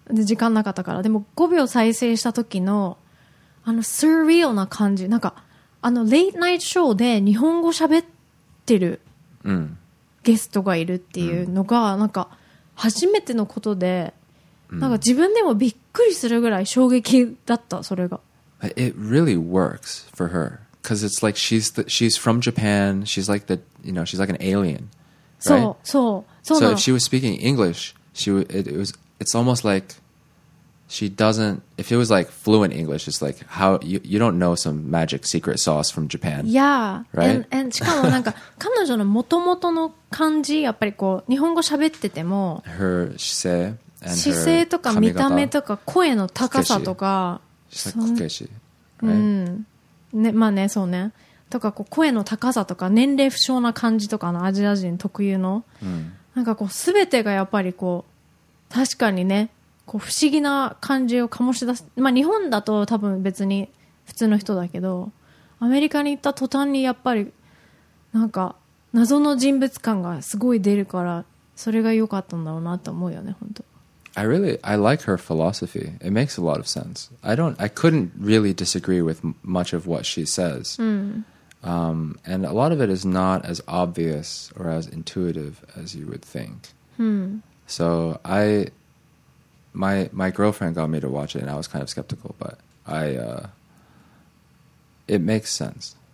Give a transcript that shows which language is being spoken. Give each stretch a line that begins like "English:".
Japanese: で時間なかったから、でも5秒再生した時のあのスリルな感じ、なんかあのレイトナイトショーで日本語喋ってるゲストがいるっていうのがなんか初めてのことで、うん、なんか自分でもびっくりするぐらい衝撃だった。それが
English: It really works for her because it's like she's from Japan, she's like the, you know, she's like an alien, right?
Japanese: そうそうそう。
English: So if she was speaking English, it's almost likeIf it was like fluent English, it's like how you don't know some magic secret sauce from Japan. Yeah. Right?
Japanese: And しかもなんか彼女の元々の感じ、やっぱりこう日本語喋ってても
English: her 姿勢 and her
Japanese: 姿勢とか見た目とか声の高さとか、こけし、ね、まあね、そうね、とかこう声の高さとか年齢不詳な感じとかのアジア人特有の、なんかこう全てがやっぱりこう確かにね、こう不思議な感じを醸し出す、まあ、日本だと多分別に普通の人だけど、アメリカに行った途端にやっぱりなんか謎の人物感がすごい出るから、それが良かったんだろうなと思うよね。本当
English: I like her philosophy. It makes a lot of sense. I couldn't really disagree with much of what she says、and a lot of it is not as obvious or as intuitive as you would think、So My girlfriend got me to watch it and I was kind of skeptical, but it makes sense.